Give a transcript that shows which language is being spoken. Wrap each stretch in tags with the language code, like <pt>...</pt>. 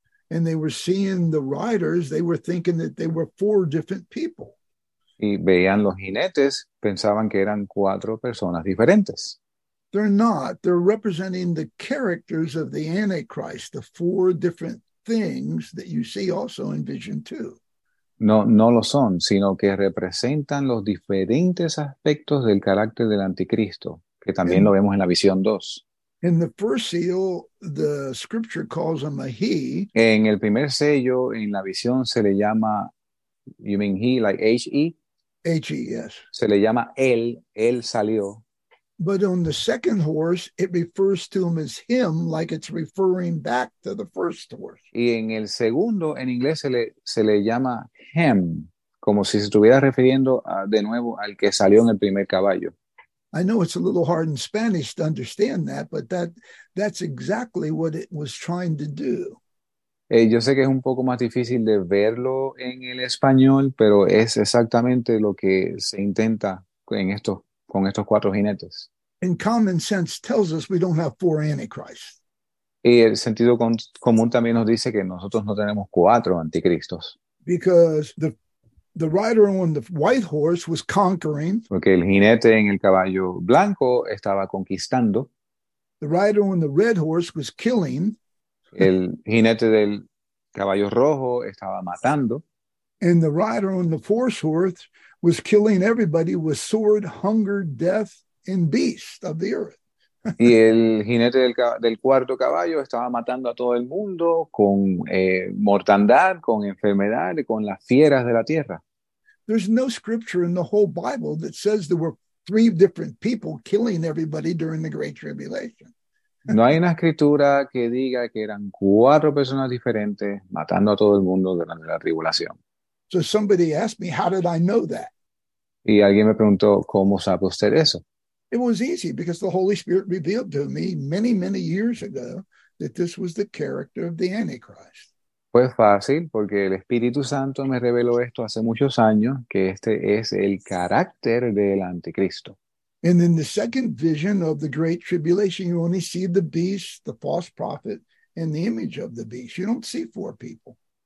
<en>and they were seeing the riders, they were thinking that they were four different people.</en> <es>Y veían los jinetes, pensaban que eran cuatro personas diferentes.</es> <en>They're not. They're representing the characters of the Antichrist, the four different things that you see also in Vision 2.</en> <es>No lo son, sino que representan los diferentes aspectos del carácter del anticristo, que también lo vemos en la Visión 2.</es> <en>In the first seal, the scripture calls him a he.</en> <es>En el primer sello, en la visión, se le llama,</es> <en>you mean he, like H-E? H-E, yes.</en> <es>Se le llama él, él salió.</es> <en>But on the second horse, it refers to him as him, like it's referring back to the first horse.</en> <es>Y en el segundo, en inglés, se le llama him, como si se estuviera refiriendo de nuevo al que salió en el primer caballo.</es> <en>I know it's a little hard in Spanish to understand that, but that's exactly what it was trying to do.</en> <es>Yo sé que es un poco más difícil de verlo en el español, pero es exactamente lo que se intenta con estos cuatro jinetes.</es> <en>And common sense tells us we don't have four antichrists.</en> <es>Y el sentido común también nos dice que nosotros no tenemos cuatro anticristos.</es> <en>Because the rider on the white horse was conquering.</en> <es>Porque el jinete en el caballo blanco estaba conquistando.</es> <en>The rider on the red horse was killing.</en> <es>El jinete del caballo rojo estaba matando.</es> <en>And the rider on the fourth horse was killing everybody with sword, hunger, death, and beast of the earth.</en> <es>Y el jinete del cuarto caballo estaba matando a todo el mundo con mortandad, con enfermedad, con las fieras de la tierra.</es> <en>There's no scripture in the whole Bible that says there were three different people killing everybody during the Great Tribulation.</en> <es>No hay una escritura que diga que eran cuatro personas diferentes matando a todo el mundo durante la tribulación.</es> <en>So somebody asked me, how did I know that?</en> <es>Y alguien me preguntó, ¿cómo sabe usted eso?</es> <en>It was easy because the Holy Spirit revealed to me many, many years ago that this was the character of the Antichrist.</en> <es>Fue fácil porque el Espíritu Santo me reveló esto hace muchos años, que este es el carácter del anticristo.</es> <en>And in the second vision of the Great Tribulation, you only see the beast, the false prophet, and the image of the beast. You don't see four people.</en>